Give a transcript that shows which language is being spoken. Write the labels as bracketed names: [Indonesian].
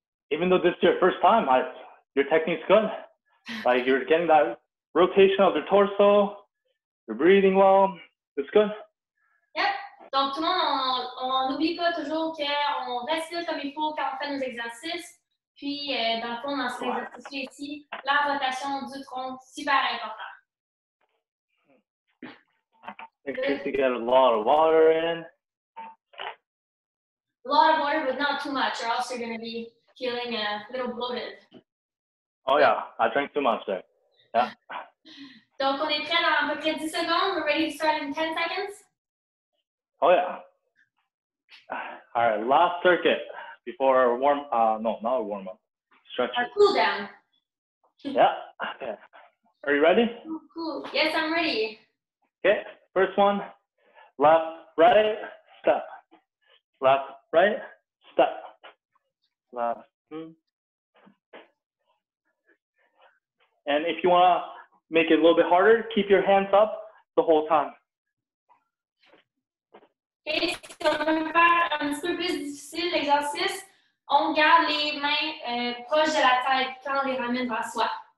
[English] Even though this is your first time, your technique's good. Like, you're getting that rotation of the torso, you're breathing well, it's good. Yep. [French] Donc, tout le monde, on n'oublie pas toujours qu'on respire comme il faut quand on fait nos exercices. Puis, dans le fond, dans ces exercices-ci, la rotation du tronc, super important. [English] Make sure to get a lot of water in. A lot of water, but not too much, or else you're going to be feeling a little bloated. Oh, yeah. I drank too much there. Yeah. [French] Donc, on est prêts dans à peu près 10 secondes. [English] We're ready to start in 10 seconds. Oh, yeah. All right. Last circuit. Before our warm, not a warm up, stretch. A cool down. Yeah. Okay. Are you ready? Cool. Yes, I'm ready. Okay. First one. Left, right, step. Left, right, step. Left. And if you want to make it a little bit harder, keep your hands up the whole time. Okay, so [French] on va faire un petit peu plus difficile l'exercice. On garde les mains proches de la tête quand on les ramène vers soi.